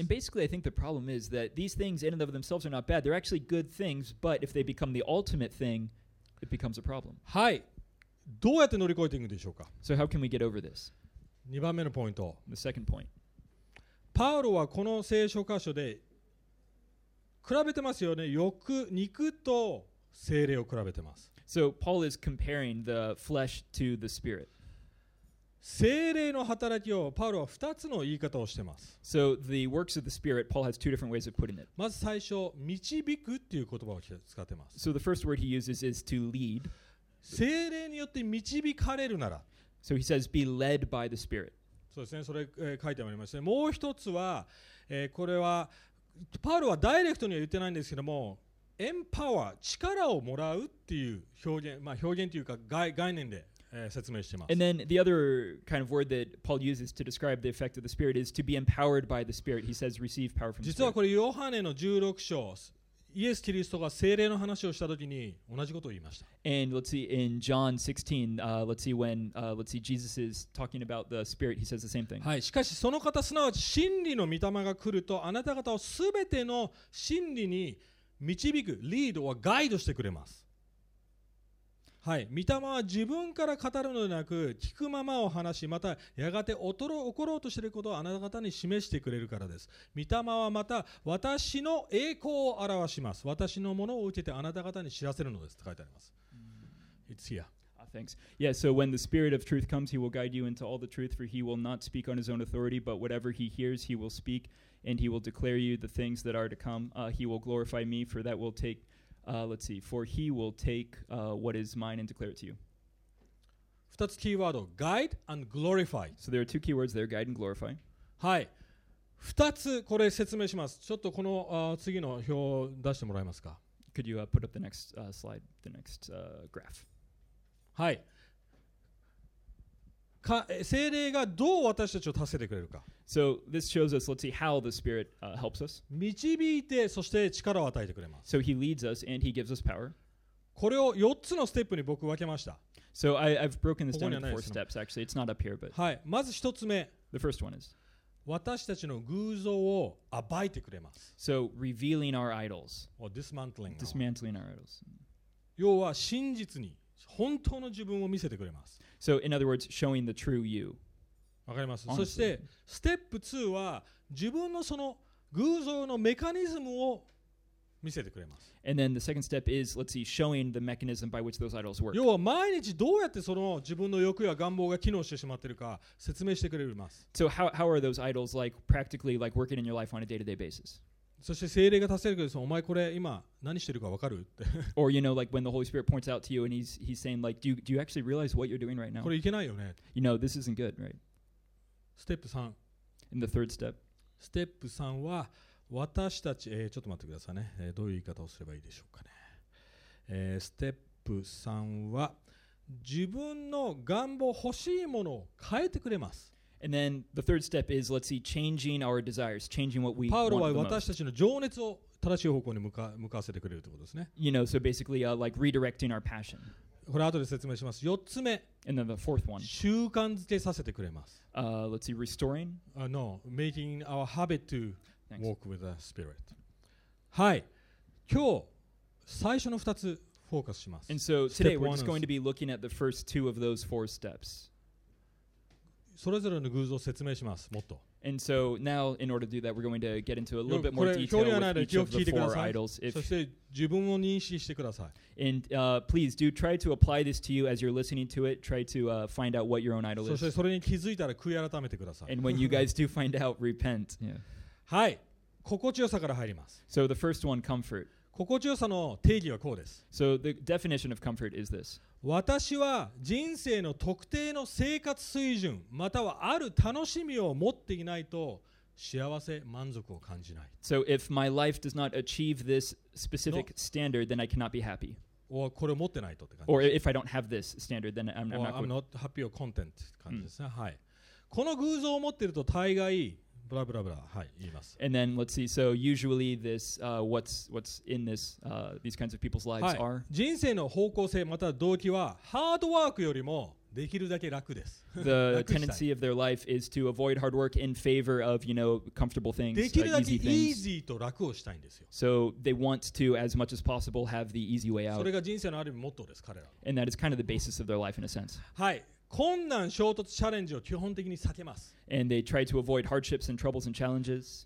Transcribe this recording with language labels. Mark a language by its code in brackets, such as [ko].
[en] And basically, I think the problem is that these things in and of themselves are not bad. They're actually good things, but if they become the ultimate thing, it becomes a problem. [ja] はい。どうやって乗り越えていくんでしょうか? [en] So how can we get over this? [ja] 2番目のポイント。 [en] The second point. [ja] パウロはこの聖書箇所で比べてますよね。欲、肉と聖霊を比べてます。 [en] So Paul is comparing the flesh to the spirit. [ja] 聖霊の働きをパウロは2つの言い方をしてます。 [en] So the works of the spirit, Paul has two different ways of putting it. [ja] まず最初、導くっていう言葉を使ってます。 [en] So the first word he uses is to lead. [ja] 聖霊によって導かれるなら。 [en] So he says, be led by the Spirit. [ja] そうですね、それ、書いてありますね。もう一つは、これはパウロはダイレクトには言ってないんですけども、エンパワー、力をもらうっていう表現、まあ、表現というか概念で、説明しています。 [en] And then the other kind of word that Paul uses to describe the effect of the Spirit is to be empowered by the Spirit. He says, receive power from the Spirit. [ja] 実はこれヨハネの16章、イエス・キリストが聖霊の話をしたときに同じことを言いました。 [en] And let's see, in John 16, Jesus is talking about the Spirit, he says the same thing. [ja] はい、しかしその方、すなわち真理の御霊が来ると、あなた方をすべての真理に導く、リードはガイドしてくれます。はい、御霊は自分から語るのではなく、聞くままを話し、またやがて起ころうとしていることをあなた方に示してくれるからです。御霊はまた私の栄光を表します。私のものを受けてあなた方に知らせるのですと書いてあります。 [en] Mm-hmm. It's here. Thanks. Yeah, so when the Spirit of truth comes, he will guide you into all the truth, for he will not speak on his own authority, but whatever he hears, he will speak, and he will declare you the things that are to come. He will glorify me, for that will take, for he will take what is mine and declare it to you. [ja] 2つキーワード、 [en] guide and glorify. So there are two keywords there, guide and glorify. [ja] はい。2つこれ説明します。ちょっとこの次の表出してもらえますか? [en] Could you put up the next slide, the next graph? [ja] はい、聖霊がどう私たちを助けてくれるか。 [en] So this shows us, let's see how the Spirit helps us. [ja] 導いて、そして力を与えてくれます。 [en] So he leads us and he gives us power. [ja] これを4つのステップに僕分けました。 [en] So I've broken this down into four steps, actually. It's not up here, but... [ja] はい、まず1つ目。 [en] The first one is... [ja] 私たちの偶像を暴いてくれます。 [en] So revealing our idols. Or dismantling. Dismantling our idols. [ja] 要は真実に。本当の自分を見せてくれます。 [en] So, in other words, showing the true you. [ja] わかります。そして、ステップ2は、自分のその偶像のメカニズムを見せてくれます。 [en] And then the second step is, let's see, showing the mechanism by which those idols work. [ja] 要は、毎日どうやってその自分の欲や願望が機能してしまっているか説明してくれます。 [en] So, how are those idols, like, practically, like, working in your life on a day-to-day basis? [ja] そして聖霊が助けてくれる。お前これ今何してるかわかる？って。 [en] Or you know, like when the Holy Spirit points out to you and he's saying like, do you actually realize what you're doing right now? [ja] これいけないよね。 [en] You know, this isn't good, right? [ja] ステップ3。 [en] In the third step. [ja] ステップ3は私たち、ちょっと待ってくださいね。どういう言い方をすればいいでしょうかね。ステップ3は自分の願望、欲しいものを変えてくれます。 [en] And then the third step is, let's see, changing our desires, changing what we want the most. [ja] パウロは私たちの情熱を正しい方向に向かわせてくれるということですね。 [en] You know, so basically, like redirecting our passion. [ja] これ後で説明します。四つ目。 [en] And then the fourth one. [ja] 習慣づけさせてくれます。 [en] Let's see, restoring? No, making our habit to walk with the Spirit. [ja] はい。今日、最初の二つフォーカスします。 [en] And so today we're just going to be looking at the first two of those four steps. [ja] それぞれの偶像を説明します。もっと。 [en] And so now, in order to do that, we're going to get into a little bit more detail with each of the four idols. [ja] そして自分を認識してください。 [en] And please do try to apply this to you as you're listening to it. Try to find out what your own idol is. [ja] そしてそれに気づいたら悔い改めてください。 [en] And when you guys do find out, repent. Yeah. [ja] はい。心地よさから入ります。 [en] So the first one, comfort. [ja] 心地よさの定義はこうです。 [en] So the definition of comfort is this. [ja] 私は人生の特定の生活水準またはある楽しみを持っていないと幸せ満足を感じない。 [en] So if my life does not achieve this specific standard, then I cannot be happy. [ja] Or これを持ってないとって感じ。 [en] Or if I don't have this standard, then I'm not happy or content. [ja] って感じですね。はい。この偶像を持っていると大概ブラブラブラ、はい、言います。 [en] And then let's see. So usually this, what's in this, these kinds of people's lives [ja] はい、 [en] are. [ja] 人生の方向性または動機はハードワークよりもできるだけ楽です。 [en] The tendency of their life is to avoid hard work in favor of, you know, comfortable things. [ja] できるだけ [en] easy [ja] と楽をしたいんですよ。 [en] So they want to, as much as possible, have the easy way out. [ja] それが人生のある意味モットーです、彼ら。 [en] And that is kind of the basis of their life in a sense. [ja] はい。困難、衝突、チャレンジを基本的に避けます。 [en] And they try to avoid hardships and troubles and challenges.